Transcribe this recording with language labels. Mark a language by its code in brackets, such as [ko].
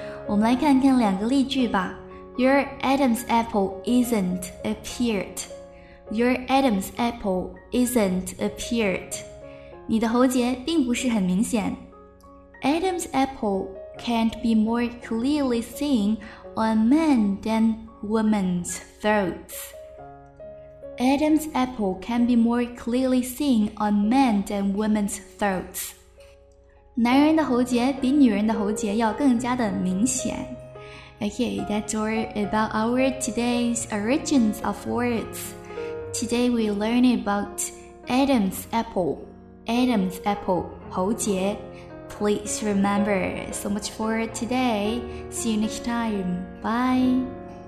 [zh] 我们来看看两个例句吧。 [en] Your Adam's apple isn't appeared. Your Adam's apple isn't appeared. [zh] 你的喉结并不是很明显。 [en] Adam's apple can't be more clearly seenOn men than women's throats. Adam's apple can be more clearly seen on men than women's throats. [zh] 男人的喉结比女人的喉结要更加的明显。 [en] Okay, that's all about our today's origins of words. Today we learn about Adam's apple. Adam's apple, [zh] 喉结。 [en] Please remember so much for today. See you next time. Bye.